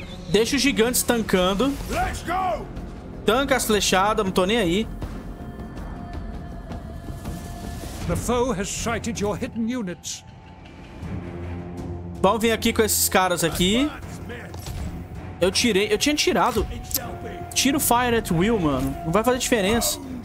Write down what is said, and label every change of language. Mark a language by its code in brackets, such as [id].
[pt] Deixa os gigantes tancando. Tanca as flechadas, não tô nem aí. [en] The foe has sighted your hidden units. [pt] Vamos vir aqui com esses caras aqui. Eu tirei. Eu tinha tirado. Tira o Fire at Will, mano. Não vai fazer diferença.